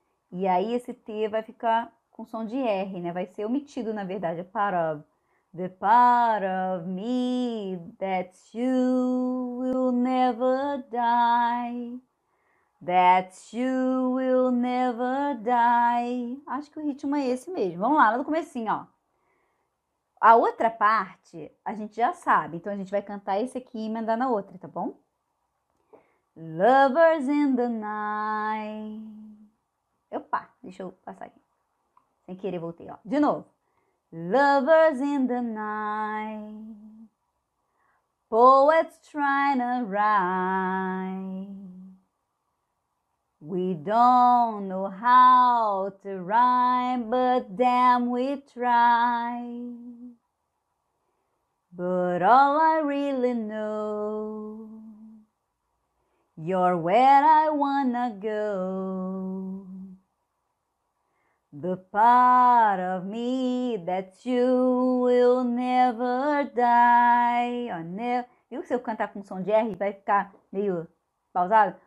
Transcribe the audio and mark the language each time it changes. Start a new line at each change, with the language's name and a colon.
Portuguese: E aí esse T vai ficar com som de R, né? Vai ser omitido, na verdade,
English: a part of. The part of me that's you will never die. That's you will never die.
Portuguese: Acho que o ritmo é esse mesmo. Vamos lá, lá no comecinho, ó. A outra parte, a gente já sabe. Então, a gente vai cantar esse aqui e emendar na outra, tá bom?
English: Lovers in the night.
Portuguese: Opa, deixa eu passar aqui. Sem querer, voltei, ó. De novo.
English: Lovers in the night, poets trying to rhyme. We don't know how to rhyme, but damn we try. But all I really know, you're where I wanna go. The part of me that you will never die.
Portuguese: Viu que se eu cantar com som de R vai ficar meio pausado?